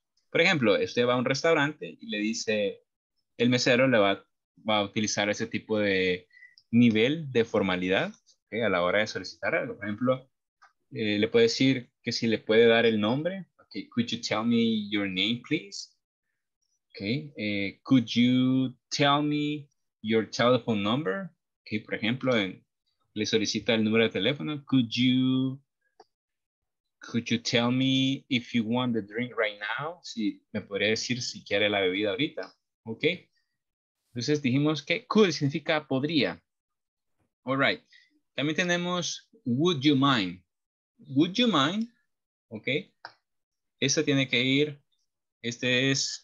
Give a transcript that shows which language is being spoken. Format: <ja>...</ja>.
<es>Por ejemplo, usted va a un restaurante y le dice, el mesero le va a utilizar ese tipo de nivel de formalidad, okay, a la hora de solicitar algo. Por ejemplo, le puede decir que si le puede dar el nombre.</es> <en>Okay. Could you tell me your name, please? Okay, could you tell me your telephone number?</en> <es>Okay, por ejemplo, le solicita el número de teléfono.</es> <en>Could you tell me if you want the drink right now?</en> <es>Si me podría decir si quiere la bebida ahorita. Okay, entonces dijimos que could significa podría.</es> <en>All right,</en> <es>también tenemos</es> <en>would you mind? Would you mind?</en> <es>Okay, esta tiene que ir. Este es.</es>